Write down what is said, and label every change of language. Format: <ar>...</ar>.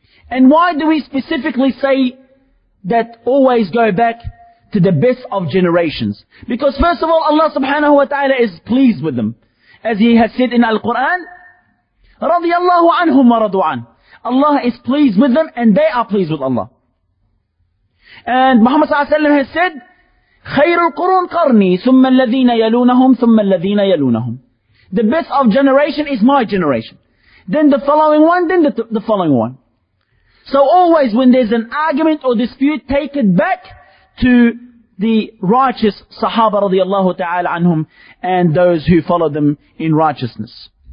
<en>And why do we specifically say that always go back to the best of generations? Because first of all, Allah subhanahu wa ta'ala is pleased with them. As He has said in Al-Quran,</en> <ar>radiyallahu anhum wa radu an.</ar> <en>Allah is pleased with them and they are pleased with Allah. And Muhammad sallallahu alayhi wa sallam has said,</en> <ar>خير القرون قرني ثم الذين يلونهم ثم الذين يلونهم.</ar> <en>The best of generation is my generation. Then the following one, then the following one. So always when there's an argument or dispute, take it back to the righteous Sahaba radiallahu ta'ala anhum and those who follow them in righteousness.</en>